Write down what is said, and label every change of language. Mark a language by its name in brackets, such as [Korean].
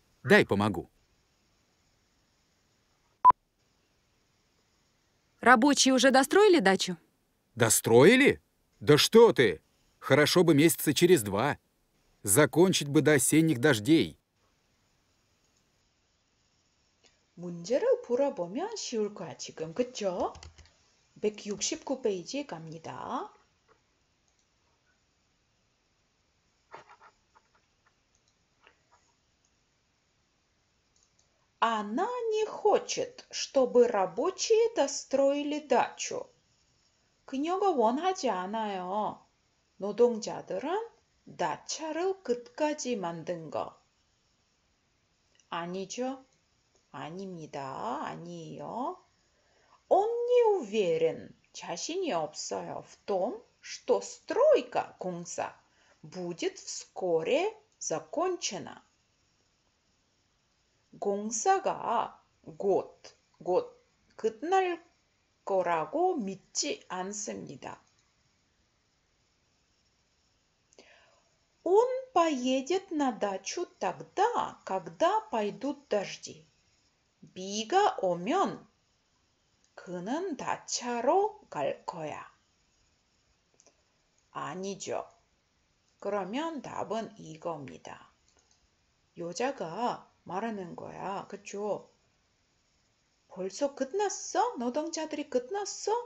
[Russian] Дай помогу. Рабочие уже достроили дачу? Достроили? Да что ты! Хорошо бы месяца через два. Закончить бы до осенних дождей. [Korean] 문제를 풀어보면 쉬울 거야 지금, 그쵸? 169 페이지에 갑니다. [Russian] 아나 не хочет, чтобы рабочие достроили дачу. [Korean] 그녀가 원하지 않아요. 노동자들은 다차를 끝까지 만든 거. 아니죠? 아닙니다. 아니에요. [Russian] Он не уверен, [Korean] 자신이 없어요, [Russian] в том, что стройка, 공사, будет вскоре закончена. [Korean] 공사가 곧 끝날 거라고 믿지 않습니다. [Russian] Он поедет на дачу тогда, когда пойдут дожди. [Korean] 비가 오면 그는 다차로 갈 거야. 아니죠. 그러면 답은 이겁니다. 여자가 말하는 거야. 그쵸? 벌써 끝났어? 노동자들이 끝났어?